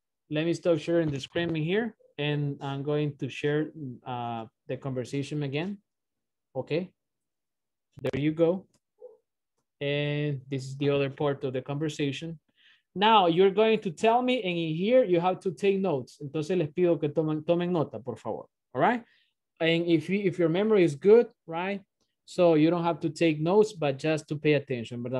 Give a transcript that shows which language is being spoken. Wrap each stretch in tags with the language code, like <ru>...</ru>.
<en>Let me stop sharing the screen here and I'm going to share the conversation again. Okay, there you go. And this is the other part of the conversation. Now you're going to tell me and in here you have to take notes.</en> <es>Entonces les pido que tomen nota, por favor, all right?</es> <en>And if your memory is good, right? So you don't have to take notes, but just to pay attention, ¿verdad?</en>